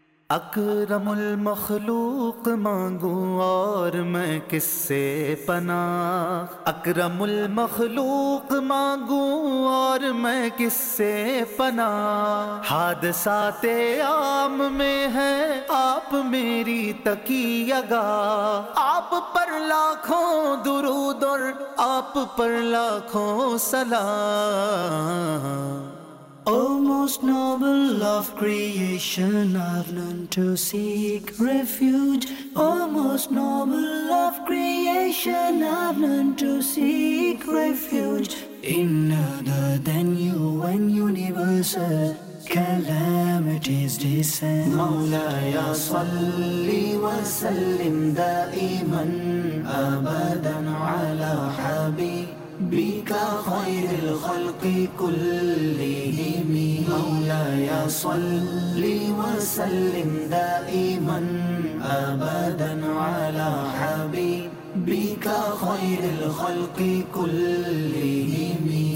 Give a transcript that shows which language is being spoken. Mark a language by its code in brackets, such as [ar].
[ur] اکرم المخلوق مانگو اور میں کس سے پناہ, اکرم المخلوق مانگو اور میں کس سے پناہ, حادثات عام میں ہے آپ میری تکیہ گاہ, آپ پر لاکھوں درود اور آپ پر لاکھوں سلام. [en] O most noble of creation, I've learned to seek refuge. O most noble of creation, I've learned to seek refuge. In other than you, when universal calamities descend. [ar] Mawla ya salli wa sallim da'iman abadan ala habib بك خير الخلق كلهم, مولاي صل وسلم دائما أبدا على حبيبك خير الخلق كلهم.